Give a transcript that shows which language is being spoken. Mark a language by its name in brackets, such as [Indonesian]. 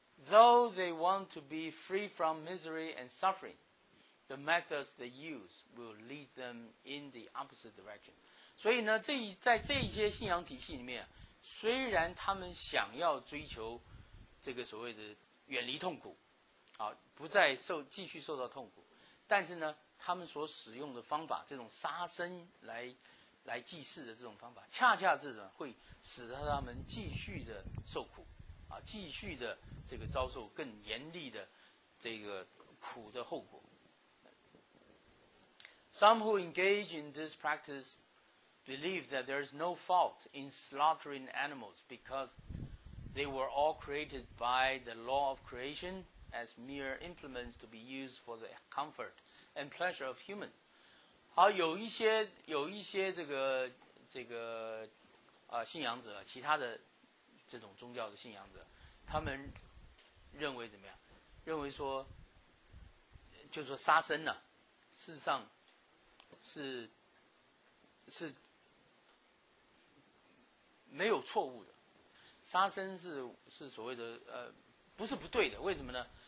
[English] Though they want to be free from misery and suffering, the methods they use will lead them in the opposite direction. [Chinese] 所以呢，在这些信仰体系里面，虽然他们想要追求这个所谓的远离痛苦，啊，不再继续受到痛苦，但是呢，他们所使用的方法，这种杀生来祭祀的这种方法，恰恰是呢，会使得他们继续的受苦，啊，继续的这个遭受更严厉的这个苦的后果。 [English] Some who engage in this practice believe that there is no fault in slaughtering animals because they were all created by the law of creation as mere implements to be used for the comfort and pleasure of humans. [Chinese] 好，有一些这个信仰者，其他的这种宗教的信仰者，他们认为怎么样？认为说，就是说杀生呢、啊，事实上是没有错误的，杀生是所谓的不是不对的。为什么呢？